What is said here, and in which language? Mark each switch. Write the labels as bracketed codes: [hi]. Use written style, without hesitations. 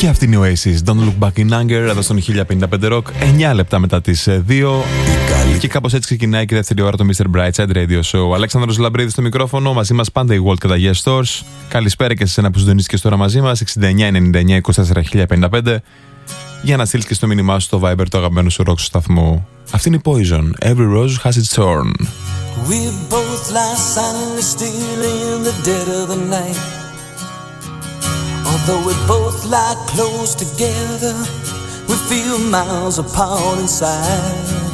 [el] Oasis, Don't Look Back in Anger, εδώ στον 1055 Rock, 9 λεπτά μετά τις 2. Και κάπως έτσι ξεκινάει και η δεύτερη ώρα του Mr. Brightside Radio Show. Αλέξανδρος Λαμπρίδης στο μικρόφωνο, μαζί μας πάντα η World και τα Yes Stores. Καλησπέρα και σε ένα που συντονίστηκε τώρα μαζί μας, 69-99-24-1055, για να στείλεις και στο μήνυμά σου το Viber το αγαπημένο σου ροκ στο σταθμό. Αυτή είναι η [en] Poison, Every Rose Has Its Thorn. We both lie silently still in the dead of the night. Although we both lie close together, we feel miles apart inside.